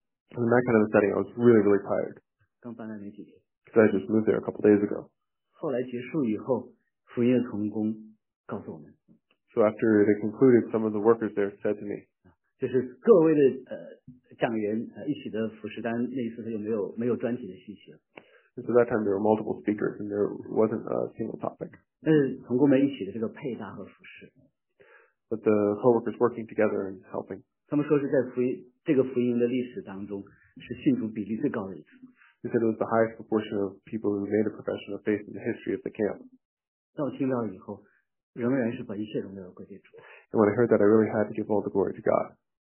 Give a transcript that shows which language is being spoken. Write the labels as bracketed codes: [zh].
[en] In that kind of a setting, I was really, really tired. [zh] 刚搬来没几天。 [en] Because I just moved there a couple days ago. [zh] 后来结束以后，福音的同工告诉我们。 [en] So after it concluded, some of the workers there said to me, [zh] 就是各位的讲员一起的服侍单，那一次他就没有专题的信息了。 [en] So that time there were multiple speakers and there wasn't a single topic. [zh] 但是同工们一起的这个配搭和服侍。 [en] But the co-workers working together and helping. [zh] 他们说是在福音这个福音的历史当中是信徒比例最高的一次。 [en] They said it was the highest proportion of people who made a profession of faith in the history of the camp. [zh] 但我听到以后仍然是把一切荣耀归给主。 [en] And when I heard that, I really had to give all the glory to God.